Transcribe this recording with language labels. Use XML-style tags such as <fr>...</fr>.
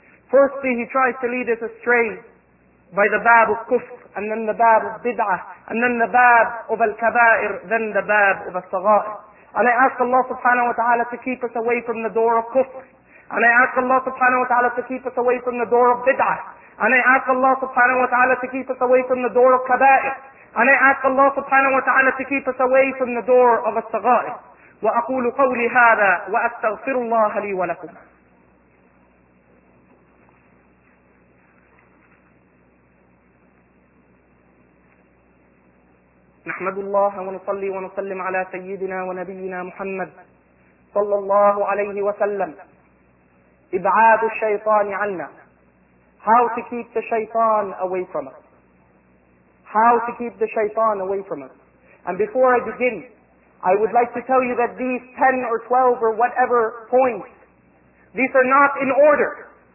<en>Firstly, he tries to lead us astray by the bab of kufr, and then the bab of bid'ah, and then the bab of al-kabair, then the bab of al-sagair. And I ask Allah subhanahu wa ta'ala to keep us away from the door of kufr. And I ask Allah subhanahu wa ta'ala to keep us away from the door of bid'ah. And I ask Allah subhanahu wa ta'ala to keep us away from the door of kabair. And I ask Allah subhanahu wa ta'ala to keep us away from the door of al-sagair.</en> <ar>وأقول قولي هذا وأستغفر الله لي ولكم. نحمد الله ونصلي ونسلم على سيدنا ونبينا محمد صلى الله عليه وسلم. إبعاد الشيطان عنا.</ar> <en>How to keep the shaitan away from us. How to keep the shaitan away from us. And before I begin, I would like to tell you that these 10 or 12 or whatever points, these are not in order.</en>